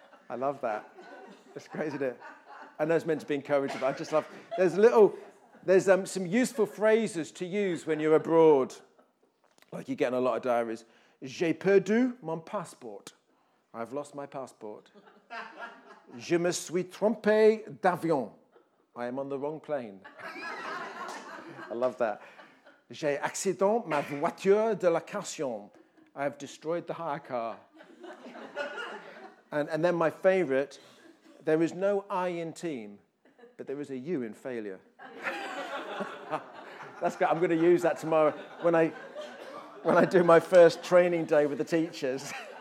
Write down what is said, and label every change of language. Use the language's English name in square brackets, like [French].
[English] I love that. That's great, isn't it? I know it's meant to be encouraging, but I just love. There's some useful phrases to use when you're abroad, like you're getting a lot of diaries. [French] J'ai perdu mon passeport. [English] I've lost my passport. [French] Je me suis trompé d'avion. [English] I am on the wrong plane. I love that. [French] J'ai accident ma voiture de location. [English] I have destroyed the hire car. And then my favorite, there is no I in team, but there is a U in failure. That's good. I'm going to use that tomorrow when I do my first training day with the teachers.